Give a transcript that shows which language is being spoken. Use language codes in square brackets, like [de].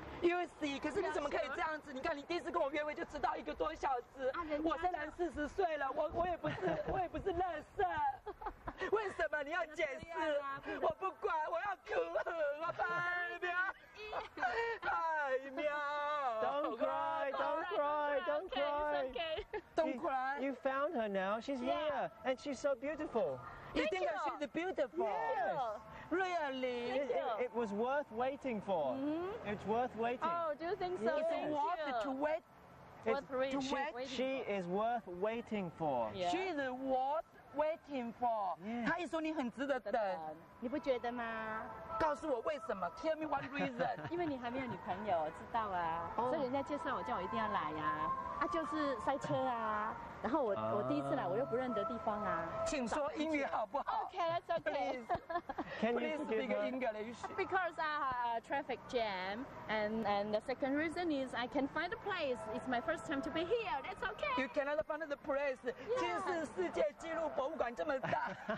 [en] You see， [zh] 可是你怎么可以这样子？你看，你第一次跟我约会就迟到一个多小时。我虽然40岁了，我也不是垃圾。为什么你要解释？我不管，我要哭，我拜喵，拜喵。 [en] Don't cry, don't cry, don't cry, don't cry. You found her now. She's here, and she's so beautiful. You think that she's beautiful? Yes. Really? It was worth waiting for. Mm-hmm. It's worth waiting. Oh, do you think so? It's worth it to wait. It's worth waiting for. She is worth waiting for. Yeah. She is worth waiting for. Yeah. [zh] 她一说你很值得等，你不觉得吗？告诉我为什么 ？ [en] Tell me one reason. [zh] 因为你还没有女朋友，知道啊。 [en] Oh. [zh] 所以人家介绍我，叫我一定要来呀、啊。啊，就是塞车啊。然后我第一次来，我又不认得地方啊。请说英语好不好 [en] ？Okay, that's okay. Please, can you please speak English? Because I have a traffic jam, and the second reason is I can't find a place. It's my first time to be here. That's okay. You cannot find the place. Yeah. [zh] 其实世界纪录博物馆这么大。